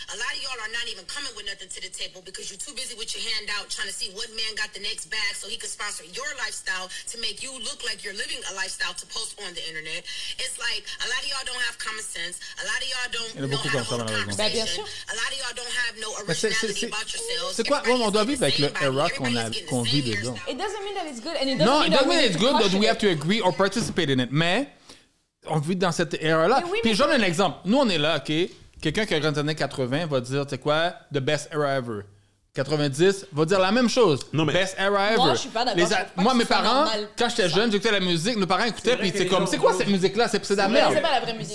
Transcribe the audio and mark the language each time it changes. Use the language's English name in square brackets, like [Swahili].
[English] A lot of y'all are not even coming with nothing to the table because you're too busy with your hand out trying to see what man got the next bag so he can sponsor your lifestyle to make you look like you're living a lifestyle to post on the internet. It's like a lot of y'all don't have common sense. A lot of y'all don't know how to hold a conversation. A lot of y'all don't have no original. C'est quoi? [French] Ouais, on doit vivre avec l'era qu'on vit dedans. [English] It doesn't mean that it's good. And it doesn't mean that it's good that we have to agree or participate in it. [French] Mais on vit dans cette era-là. Oui, puis je donne un exemple. Nous, on est là, OK? Quelqu'un qui a grandi dans les années 80 va dire, tu sais quoi? The best era ever. 90 va dire la même chose. Non, mais [English] best era ever. [French] Moi, je suis pas d'accord. Moi, mes parents, quand j'étais jeune, j'écoutais la musique. Nos parents écoutaient, puis c'est comme, c'est quoi cette musique-là? C'est de la merde. C'est pas la vraie musique.